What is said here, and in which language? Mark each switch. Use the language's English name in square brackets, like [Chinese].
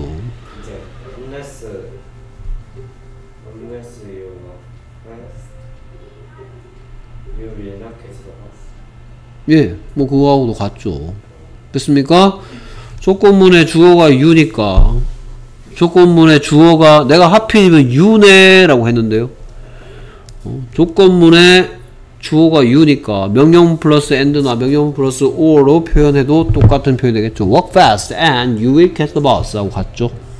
[Korean] 이제 [English] unless you walk fast, you will not catch the bus. [Korean] 예, 뭐 그거하고도 같죠. 됐습니까? 조건문의 주어가 you니까 조건문의 주어가 내가 하필이면 you네 라고 했는데요. 조건문의 주어가 you니까 명령 플러스 and나 명령 플러스 or로 표현해도 똑같은 표현이 되겠죠. [English] Walk fast and you will catch the bus 하고 같죠.